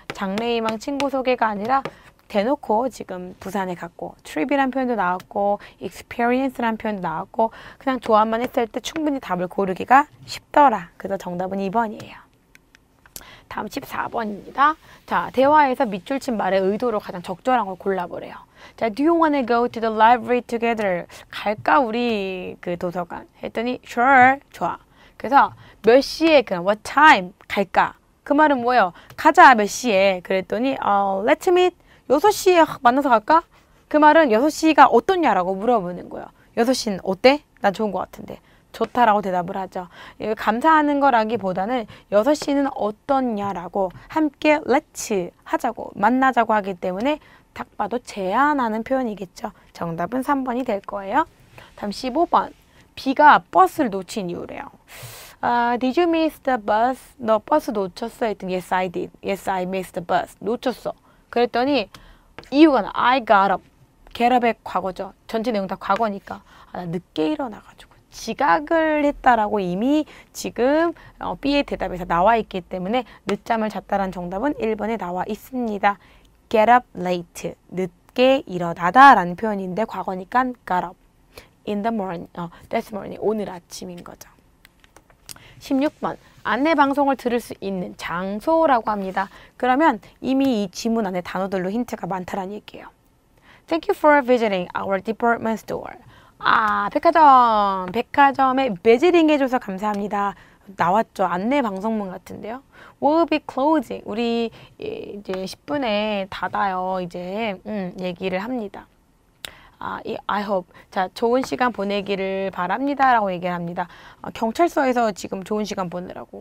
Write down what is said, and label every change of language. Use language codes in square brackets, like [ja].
[ko] 장래희망 친구 소개가 아니라 대놓고 지금 부산에 갔고 trip이란 표현도 나왔고 experience란 표현도 나왔고 그냥 조합만 했을 때 충분히 답을 고르기가 쉽더라. 그래서 정답은 2번이에요. 다음 14번입니다. 자, 대화에서 밑줄 친 말의 의도로 가장 적절한 걸 골라보래요. [en] 자, Do you wanna go to the library together? [ko] 갈까, 우리 그 도서관? 했더니, Sure. 좋아. 그래서, 몇 시에, 그럼, What time? 갈까. 그 말은 뭐예요? 가자, 몇 시에. [en] 그랬더니, Let's meet. [ko] 6시에 만나서 갈까? 그 말은 6시가 어떻냐라고 물어보는 거예요. 6시는 어때? 난 좋은 것 같은데. 좋다라고 대답을 하죠. 감사하는 거라기보다는 6시는 어떻냐라고 함께 렛츠 하자고 만나자고 하기 때문에 딱 봐도 제안하는 표현이겠죠. 정답은 3번이 될 거예요. 다음 15번. 비가 버스를 놓친 이유래요. [en] Did you miss the bus? 너 버스 놓쳤어? 했더니 Yes, I did. Yes, I missed the bus. 놓쳤어. 그랬더니 이유가 I got up. [ko] get up의 과거죠. 전체 내용 다 과거니까. 아, 나 늦게 일어나가지고. 지각을 했다라고 이미 지금 B의 대답에서 나와 있기 때문에 늦잠을 잤다라는 정답은 1번에 나와 있습니다. [en] Get up late. [ko] 늦게 일어나다라는 표현인데 과거니까 got up. [en] In the morning. This morning. 오늘 아침인 거죠. 16번. [ko] 안내 방송을 들을 수 있는 장소라고 합니다. 그러면 이미 이 지문 안에 단어들로 힌트가 많다라는 얘기예요. [en] Thank you for visiting our department store. [ko] 아, 백화점. 백화점에 매진해줘서 감사합니다. 나왔죠. 안내 방송문 같은데요. We'll be closing. 우리 이제 10분에 닫아요. 이제, 얘기를 합니다. 아, I hope. 자, 좋은 시간 보내기를 바랍니다. 라고 얘기를 합니다. 경찰서에서 지금 좋은 시간 보내라고.